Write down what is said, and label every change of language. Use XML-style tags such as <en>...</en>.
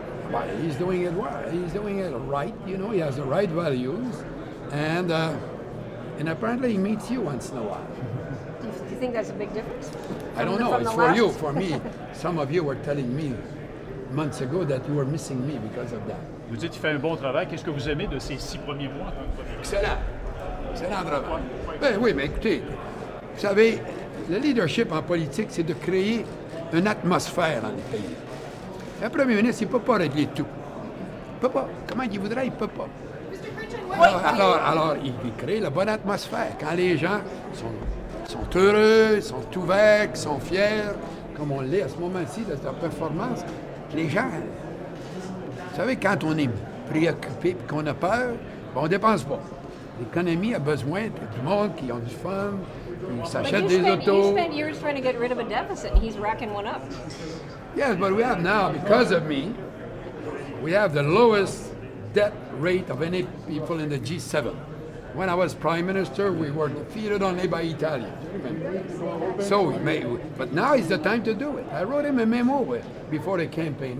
<en>Well, he's doing it well. He's doing it right. You know, he has the right values, and apparently he meets you once in a while. Do you think that's a big difference? I don't know. It's for you. For me, some of you were telling me. months ago that you were missing me because of that.</en> <fr>Vous dites qu'il fait un bon travail. Qu'est-ce que vous aimez de ces six premiers mois? Excellent travail. Ben oui, mais écoutez, vous savez, le leadership en politique, c'est de créer une atmosphère dans le pays. Un premier ministre, il ne peut pas régler tout. Il ne peut pas. Comment il voudrait, il ne peut pas. Alors, il crée la bonne atmosphère. Quand les gens sont heureux, sont ouverts, sont fiers, comme on l'est à ce moment-ci de sa performance, les gens, vous savez, quand on est préoccupé et qu'on a peur, ben, on ne dépense pas. L'économie a besoin de du monde qui a du fun, qui s'achète des autos. Mais il a passé des années à se retirer d'un déficit et il est racking one up.</fr> <en>Yes, but we have now, because of me, we have the lowest debt rate of any people in the G7. When I was prime minister, we were defeated only by Italian. So, but now is the time to do it. I wrote him a memo before the campaign.</en>